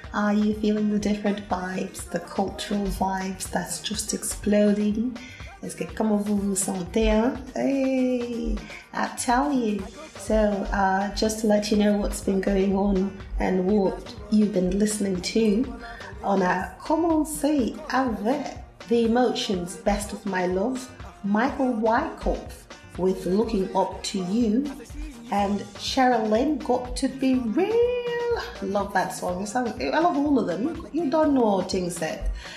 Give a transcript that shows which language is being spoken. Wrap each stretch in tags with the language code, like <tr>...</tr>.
<en>Are you feeling the different vibes, the cultural vibes that's just exploding?</en> <fr>Est-ce que comment vous vous sentez, hein?</fr> <en>Hey, I'll tell you. So, just to let you know what's been going on and what you've been listening to on our</en> <fr>Commencer avec</fr> <en>The Emotions, Best of My Love, Michael Wyckoff with Looking Up to You, and Cheryl Lynn, Got to Be Real. Love that song. I love all of them. You don't know what things said.</en>